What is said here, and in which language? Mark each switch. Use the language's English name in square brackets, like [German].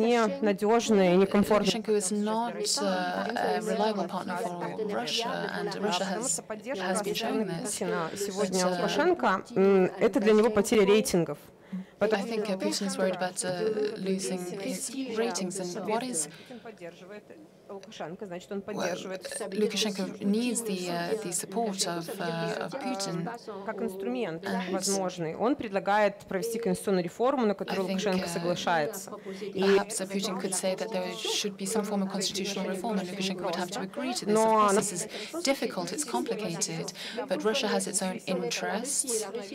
[English] Lukashenko is not a reliable partner for Russia, and Russia has been showing this. [Russian] Сегодня Лукашенко – это для него потеря рейтингов. [English] I think Putin is worried about losing his ratings. And what is Lukashenko needs the support of Putin. [Russian] Как инструмент возможный. Он предлагает провести конституционную реформу, на которую Лукашенко соглашается. [English] Perhaps Putin could say that there should be some form of constitutional reform, and Lukashenko would have to agree to this. Of course, this is difficult. It's complicated. But Russia has its own interests.